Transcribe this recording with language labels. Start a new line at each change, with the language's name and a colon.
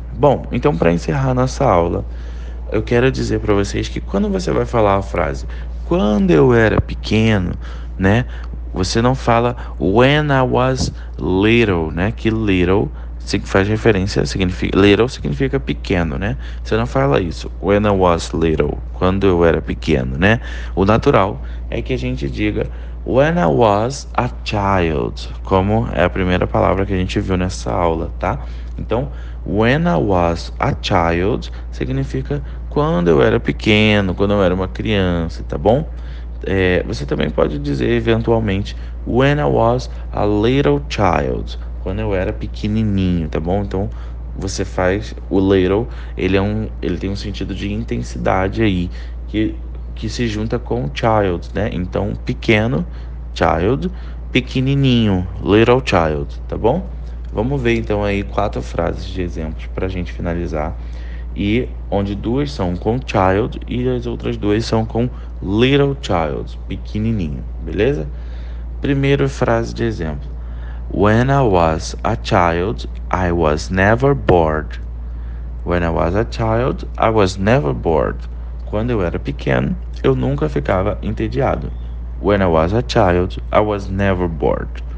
Portuguese: Bom, então para encerrar nossa aula, eu quero dizer para vocês que quando você vai falar a frase quando eu era pequeno, né? Você não fala
English: when I was little,
Portuguese: né? Que little faz referência, significa, little significa pequeno, né? Você não fala isso.
English: When I was little,
Portuguese: quando eu era pequeno, né? O natural é que a gente diga
English: when I was a child,
Portuguese: como é a primeira palavra que a gente viu nessa aula, tá? Então,
English: when I was a child
Portuguese: significa quando eu era pequeno, quando eu era uma criança, tá bom? É, você também pode dizer eventualmente
English: when I was a little child,
Portuguese: quando eu era pequenininho, tá bom? Então você faz o little, ele tem um sentido de intensidade aí que se junta com child, né? Então pequeno, child, pequenininho, little child, tá bom? Vamos ver então aí quatro frases de exemplos para a gente finalizar. E onde duas são com child e as outras duas são com little child, pequenininho, beleza? Primeira frase de exemplo.
English: When I was a child, I was never bored. When I was a child, I was never bored.
Portuguese: Quando eu era pequeno, eu nunca ficava entediado.
English: When I was a child, I was never bored.